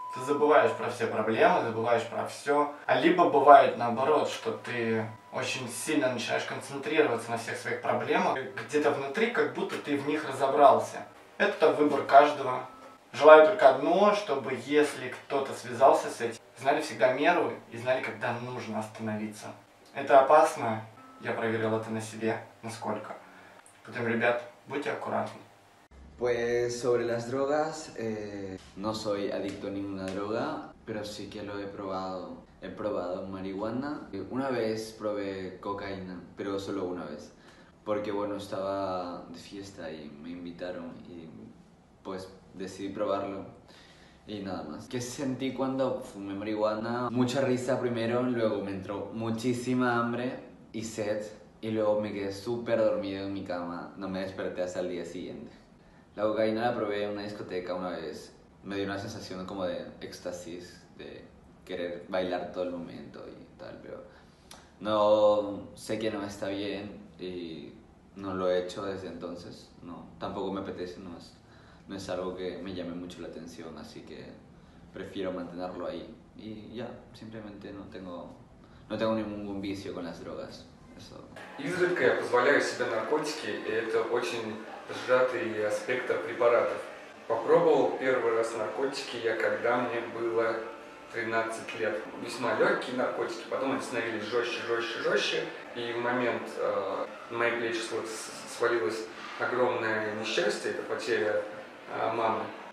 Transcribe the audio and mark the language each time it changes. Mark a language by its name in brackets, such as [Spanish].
[Russian] Ты забываешь про все проблемы, забываешь про все. А либо бывает наоборот, что ты очень сильно начинаешь концентрироваться на всех своих проблемах, где-то внутри, как будто ты в них разобрался. Это выбор каждого. Желаю только одно, чтобы если кто-то связался с этим, знали всегда меру и знали, когда нужно остановиться. Это опасно. Я проверил это на себе, насколько. Поэтому, ребят, будьте аккуратны. [Spanish] Pues sobre las drogas, no soy adicto a ninguna droga, pero sí que lo he probado. He probado marihuana. Una vez probé cocaína, pero solo una vez. Porque bueno, estaba de fiesta y me invitaron y pues decidí probarlo. Y nada más. ¿Qué sentí cuando fumé marihuana? Mucha risa primero, luego me entró muchísima hambre y sed. Y luego me quedé súper dormido en mi cama. No me desperté hasta el día siguiente. La cocaína la probé en una discoteca una vez. Me dio una sensación como de éxtasis, de querer bailar todo el momento y tal, pero no sé que no está bien y no lo he hecho desde entonces. No, tampoco me apetece, no es algo que me llame mucho la atención, así que prefiero mantenerlo ahí. Y ya, simplemente no tengo ningún vicio con las drogas. Eso. [Russian] Изредка я позволяю себе наркотики, и это очень сжатый аспект препаратов. Попробовал первый раз наркотики я, когда мне было 13 лет, весьма легкие наркотики, потом они становились жестче. И в момент на мои плечи свалилось огромное несчастье, это потеря мамы.